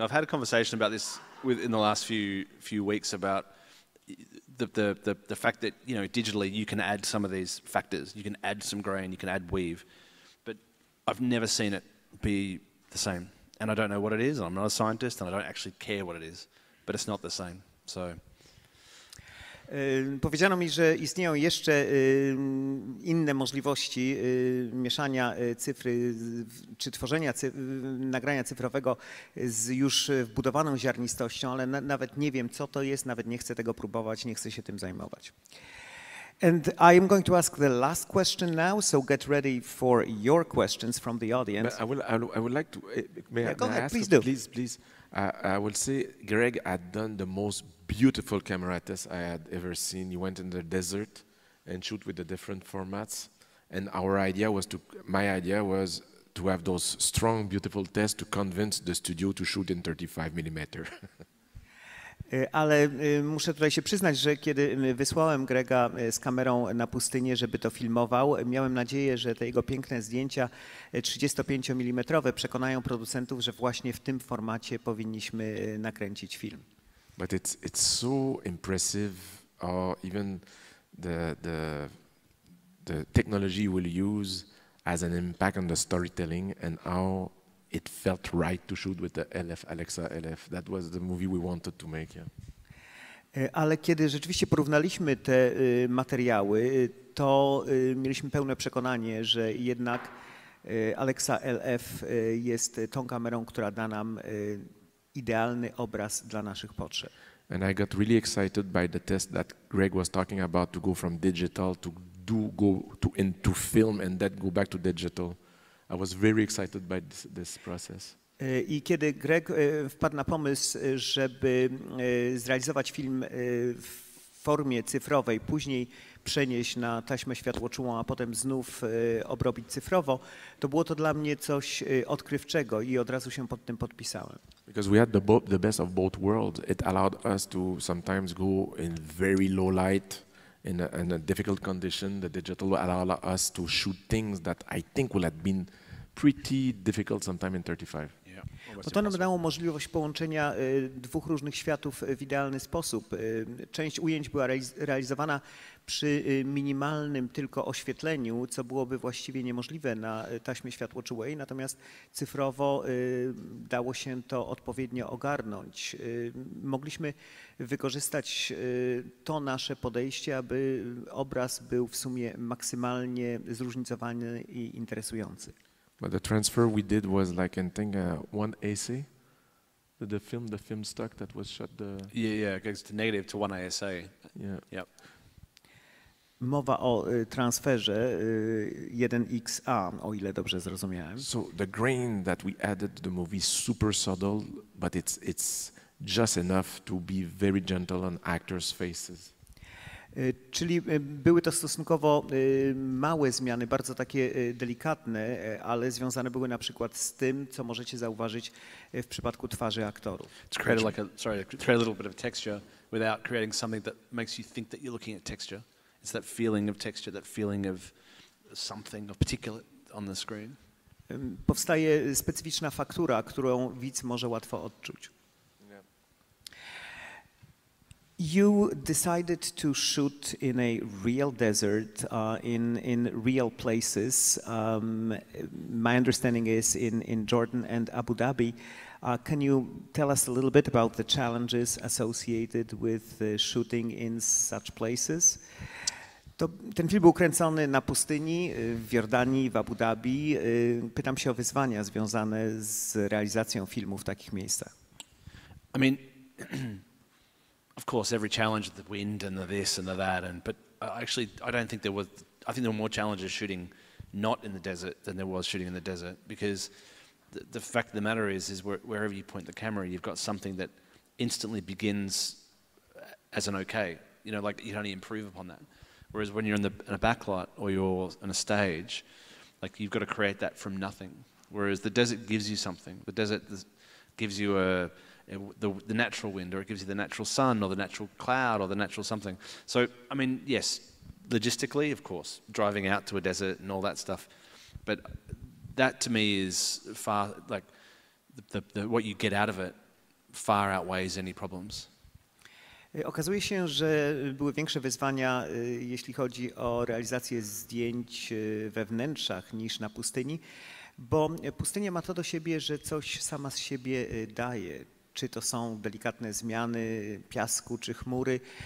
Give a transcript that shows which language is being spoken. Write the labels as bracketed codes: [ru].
[en] I've had a conversation about this in the last few weeks about the fact that, you know, digitally you can add some of these factors. You can add some grain, you can add weave, but I've never seen it be the same. And I don't know what it is, and I'm not a scientist, and I don't actually care what it is, but it's not the same. So. [pl] Powiedziano mi, że istnieją jeszcze inne możliwości mieszania cyfry czy tworzenia nagrania cyfrowego z już wbudowaną ziarnistością, ale nawet nie wiem, co to jest, nawet nie chcę tego próbować, nie chcę się tym zajmować. [en] And I am going to ask the last question now, so get ready for your questions from the audience. But I would like to may yeah, go I ahead, ask please do. Please. I will say Greig had done the most beautiful camera test I had ever seen. He went in the desert and shoot with the different formats. And my idea was to have those strong, beautiful tests to convince the studio to shoot in 35 millimeter. [pl] Ale muszę tutaj się przyznać, że kiedy wysłałem Greiga z kamerą na pustynię, żeby to filmował, miałem nadzieję, że te jego piękne zdjęcia 35-milimetrowe przekonają producentów, że właśnie w tym formacie powinniśmy nakręcić film. [en] But it's so impressive, or even the technology we'll use has an impact on the storytelling and how it felt right to shoot with the LF, Alexa LF. That was the movie we wanted to make, yeah. [pl] Ale kiedy rzeczywiście porównaliśmy te materiały, to mieliśmy pełne przekonanie, że jednak Alexa LF jest tą kamerą, która da nam idealny obraz dla naszych potrzeb. [en] And I got really excited by the test that Greig was talking about to go from digital to go into film and then go back to digital. I was very excited by this process. [pl] I kiedy Greig wpadł na pomysł, żeby zrealizować film w formie cyfrowej, później przenieść na taśmę światłoczułą, a potem znów obrobić cyfrowo, to było to dla mnie coś odkrywczego i od razu się pod tym podpisałem. [en] Because we had the best of both worlds, it allowed us to sometimes go in very low light. In a difficult condition, the digital allow us to shoot things that I think will have been pretty difficult sometime in 35. [pl] Yeah. To nam dało możliwość połączenia dwóch różnych światów w idealny sposób. Część ujęć była realizowana przy minimalnym tylko oświetleniu, co byłoby właściwie niemożliwe na taśmie światłoczułej, natomiast cyfrowo dało się to odpowiednio ogarnąć. Mogliśmy wykorzystać to nasze podejście, aby obraz był w sumie maksymalnie zróżnicowany i interesujący. [en] But the transfer we did was like in thing one AC. The film stuck that was shot the yeah it goes to negative to one ASA. Yeah. Yep. [pl] Mowa o transferze 1XA, o ile dobrze zrozumiałem. [en] So the grain that we added to the movie is super subtle, but it's just enough to be very gentle on actors' faces. [pl] Czyli były to stosunkowo małe zmiany, bardzo takie delikatne, ale związane były na przykład z tym, co możecie zauważyć w przypadku twarzy aktorów. [en] To create like a little bit of texture without creating something that makes you think that you're looking at texture. It's that feeling of texture, that feeling of something, of particulate, on the screen. [pl] Powstaje specyficzna faktura, którą widz może łatwo odczuć. [en] You decided to shoot in a real desert, in real places. My understanding is in Jordan and Abu Dhabi. Can you tell us a little bit about the challenges associated with shooting in such places? [pl] Ten film był kręcony na pustyni, w Jordanii, w Abu Dhabi. Pytam się o wyzwania związane z realizacją filmu w takich miejscach. [en] I mean, of course, every challenge, the wind and the this and the that, and but actually, I don't think there was, I think there were more challenges shooting not in the desert than there was shooting in the desert, because the fact of the matter is wherever you point the camera, you've got something that instantly begins as an okay, you know, like you'd only improve upon that. Whereas when you're in a backlot or you're on a stage, like you've got to create that from nothing. Whereas the desert gives you something. The desert gives you the natural wind, or it gives you the natural sun, or the natural cloud, or the natural something. So, I mean, yes, logistically, of course, driving out to a desert and all that stuff. But that to me is far, like, the what you get out of it far outweighs any problems. [pl] Okazuje się, że były większe wyzwania, jeśli chodzi o realizację zdjęć we wnętrzach niż na pustyni, bo pustynia ma to do siebie, że coś sama z siebie daje. Czy to są delikatne zmiany piasku czy chmury.